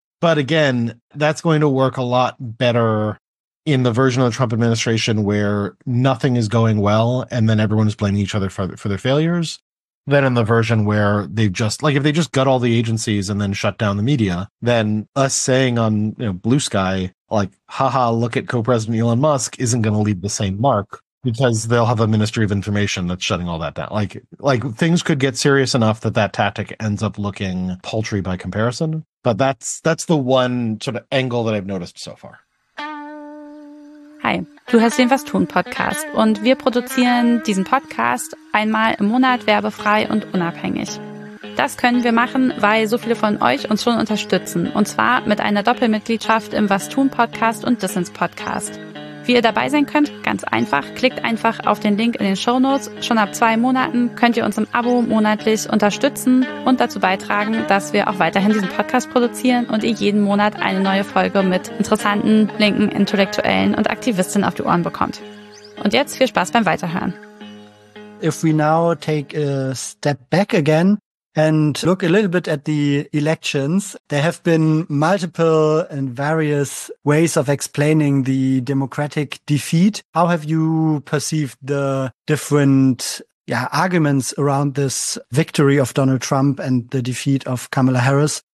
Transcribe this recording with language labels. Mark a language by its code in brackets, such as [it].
[en] But again, that's going to work a lot better in the version of the Trump administration where nothing is going well and then everyone is blaming each other for their failures than in the version where they've just, like, if they just gut all the agencies and then shut down the media, then us saying on, you know, Blue Sky, like, haha, look at co-president Elon Musk, isn't going to leave the same mark. Because they'll have a Ministry of Information that's shutting all that down. Like things could get serious enough that tactic ends up looking paltry by comparison. But that's the one sort of angle that I've noticed so far. [de] Hi, du hörst den Was tun Podcast und wir produzieren diesen Podcast einmal im Monat werbefrei und unabhängig. Das können wir machen, weil so viele von euch uns schon unterstützen. Und zwar mit einer Doppelmitgliedschaft im Was tun Podcast und Dissens Podcast. Wie ihr dabei sein könnt, ganz einfach, klickt einfach auf den Link in den Shownotes. Schon ab 2 Monaten könnt ihr uns im Abo monatlich unterstützen und dazu beitragen, dass wir auch weiterhin diesen Podcast produzieren und ihr jeden Monat eine neue Folge mit interessanten, linken Intellektuellen und Aktivistinnen auf die Ohren bekommt. Und jetzt viel Spaß beim Weiterhören. [en] If we now take a step back again and look a little bit at the elections, there have been multiple and various ways of explaining the Democratic defeat. How have you perceived the different arguments around this victory of Donald Trump and the defeat of Kamala Harris?